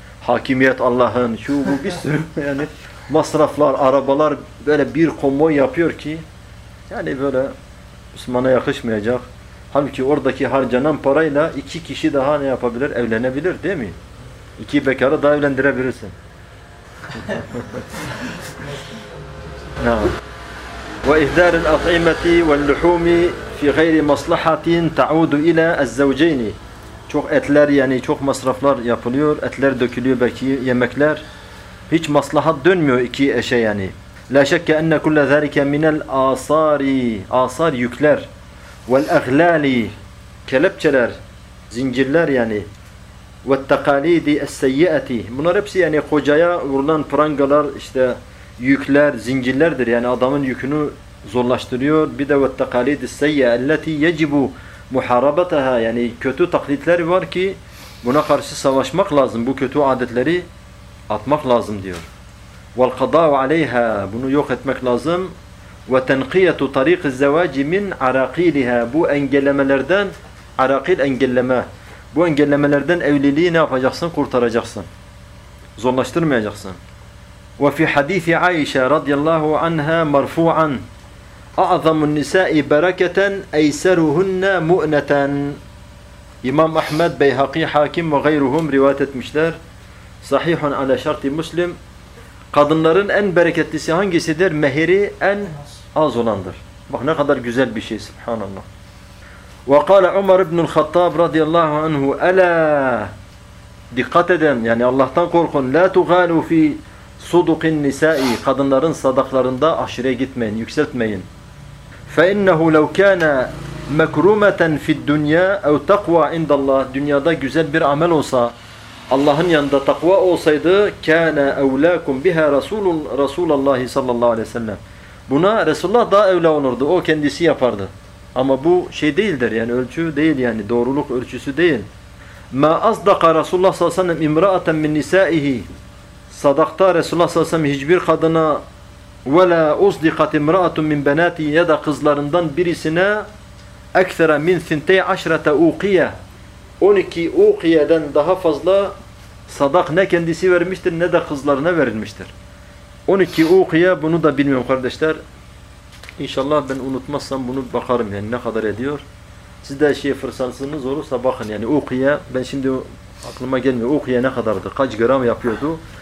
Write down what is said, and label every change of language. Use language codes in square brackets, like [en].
[tr] Hakimiyet Allah'ın, şu bu bir sürü yani masraflar, arabalar böyle bir konvoy yapıyor ki yani böyle Müslüman'a yakışmayacak. Halbuki oradaki harcanan parayla iki kişi daha ne yapabilir? Evlenebilir değil mi? İki bekarı daha evlendirebilirsin. [ar] وَإِهْدَارِ الْأَطْعِمَةِ وَالْلُحُومِ في غير مصلحة تعود إلى الزوجين. [tr] Çok etler yani çok masraflar yapılıyor. Etler dökülüyor belki yemekler. Hiç maslahat dönmüyor iki eşe yani. [ar] لَا شَكَّ أَنَّ كُلَّ ذَٰلِكَ مِنَ الْآصَارِ [tr] Asar yükler. [ar] وَالْأَغْلَالِ [tr] Kelepçeler, zincirler yani. [ar] وَالْتَقَالِيدِ السَّيِّئَةِ [tr] Bunlar hepsi yani kocaya vurulan prangalar işte yükler, zincirlerdir. Yani adamın yükünü zorlaştırıyor. Bir de [ar] وَالتَّقَالِيدِ السَّيَّ اَلَّتِي يَجِبُ مُحَارَبَتَهَا. [tr] Yani kötü taklitler var ki buna karşı savaşmak lazım. Bu kötü adetleri atmak lazım diyor. [ar] وَالْقَضَاءُ عَلَيْهَا. [tr] Bunu yok etmek lazım. [ar] وَتَنْقِيَةُ طَرِيقِ الزَّوَاجِ مِنْ عَرَقِيلِهَا. [tr] Bu engellemelerden, arakil engelleme. Bu engellemelerden evliliği ne yapacaksın? Kurtaracaksın. Zorlaştırmayacaksın. [ar] وَفِي حَدِيثِ عَيْشَ رَضِيَ اللّٰهُ عَنْهَا مَرْفُوعًا اَعْظَمُ النِّسَاءِ بَرَكَةً اَيْسَرُهُنَّ مُؤْنَةً. [tr] İmam Ahmed, Beyhaki, Hakim ve gayruhum rivayet etmişler. Sahihun ala şart-ı Müslim. Kadınların en bereketlisi hangisidir? Mehri en az olandır. Bak ne kadar güzel bir şey. Subhanallah. [ar] وَقَالَ عُمَرُ بْنُ الْخَطَّابِ رَضِيَ اللّٰهُ عَنْهُ أَلَا. [tr] Dikkat edin, yani Allah'tan korkun. [ar] لَا تُغَالُوا فِي صُدُقِ النِّسَاءِ. [tr] Kadınların sadaklarında aşırıya gitmeyin, yükseltmeyin. [ar] فَاِنَّهُ لَوْ كَانَ مَكْرُومَةً فِي الدُّنْيَا اَوْ تَقْوَى عِنْدَ اللّٰهِ. [tr] Dünyada güzel bir amel olsa, Allah'ın yanında takva olsaydı, [ar] كَانَ اَوْلَاكُمْ بِهَا رَسُولَ اللّٰهِ صَلَّى اللّٰهُ عَلَيْهِ سَلَّمْ. [tr] Buna Resulullah daha evla olurdu, o kendisi yapardı. Ama bu şey değildir, yani ölçü değil, yani doğruluk ölçüsü değil. [ar] مَا أَصْدَقَ رَسُولَ اللّٰهِ صَلَّى اللّٰهِ اِمْرَأَةً مِنْ نِسَائِهِ. [tr] Sadakta Resulullah sallallahu aleyhi ve sellem hiçbir kadına [ar] وَلَا اُصْدِقَتْ اِمْرَأَةٌ مِنْ بَنَاتِ. [tr] Ya da kızlarından birisine [ar] اَكْثَرَ مِنْ ثِنْتَيْ عَشْرَةَ اُوْقِيَةٌ. [tr] 12 uqiyeden daha fazla sadak ne kendisi vermiştir ne de kızlarına verilmiştir. 12 uqiye, bunu da bilmiyorum kardeşler. İnşallah ben unutmazsam bunu bakarım, yani ne kadar ediyor. Siz de şey fırsatınız olursa bakın, yani uqiye, ben şimdi aklıma gelmiyor, uqiye ne kadardı, kaç gram yapıyordu.